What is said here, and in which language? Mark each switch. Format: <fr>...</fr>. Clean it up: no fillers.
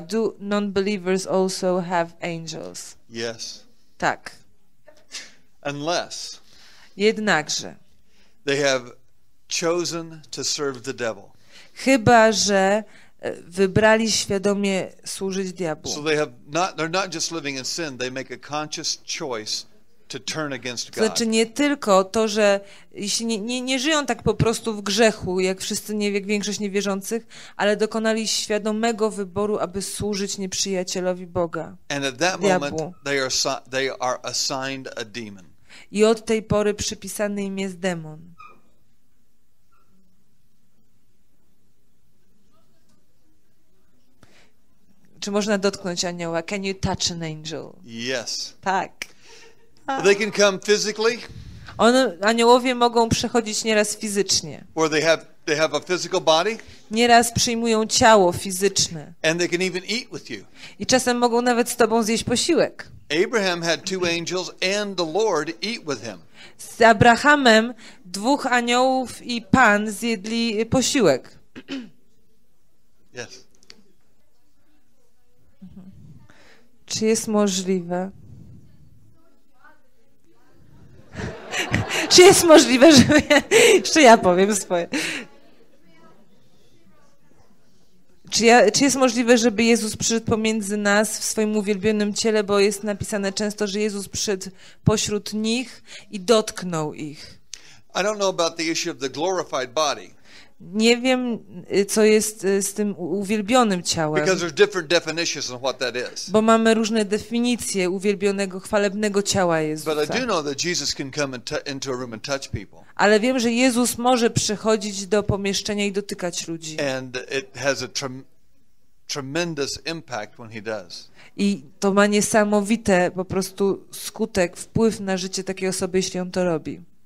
<en>Do non-believers also have angels? Yes.</en> <pl>Tak.</pl> <en>Unless</en> <pl>jednakże</pl> <en>they have chosen to serve the devil.</en> <pl>Chyba że wybrali świadomie służyć diabłu.</pl> <en>So they have not, they're not just living in sin, they make a conscious choice to turn against God.</en> <pl>Znaczy nie tylko to, że jeśli nie żyją tak po prostu w grzechu, jak wszyscy jak większość niewierzących, ale dokonali świadomego wyboru, aby służyć nieprzyjacielowi Boga.</pl> <en>And at that</en> <pl>diabłu.</pl> <en>Moment they are assigned a demon.</en> <pl>I od tej pory przypisany im jest demon. Czy można dotknąć anioła?</pl> <en>Can you touch an angel? Yes.</en> <pl>Tak.</pl> <en>They can come physically.</en> <pl>Aniołowie mogą przechodzić nieraz fizycznie.</pl> <en>Or they have a physical body.</en> <pl>Nieraz przyjmują ciało fizyczne.</pl> <en>And they can even eat with you.</en> <pl>I czasem mogą nawet z tobą zjeść posiłek.</pl> <en>Abraham had two angels and the Lord eat with him.</en> <pl>Z Abrahamem dwóch aniołów i Pan zjedli posiłek.</pl> <en>Yes.</en> <pl>Czy jest możliwe? Czy jest możliwe, żeby jeszcze ja powiem swoje? Czy jest możliwe, żeby Jezus przyszedł pomiędzy nas w swoim uwielbionym ciele, bo jest napisane często, że Jezus przyszedł pośród nich i dotknął ich?</pl> <en>I don't know about the issue of the glorified body.</en> <pl>Nie wiem, co jest z tym uwielbionym ciałem.</pl> <en>Because there's different definitions on what that is.</en> <pl>Bo mamy różne definicje uwielbionego, chwalebnego ciała Jezusa.</pl> <en>But I do know that Jesus can come into a room and touch people.</en> <pl>Ale wiem, że Jezus może przychodzić do pomieszczenia i dotykać ludzi.</pl> <en>And it has a tremendous impact when he does.</en> <pl>I to ma niesamowite po prostu skutek, wpływ na życie takiej osoby, jeśli on to robi.</pl>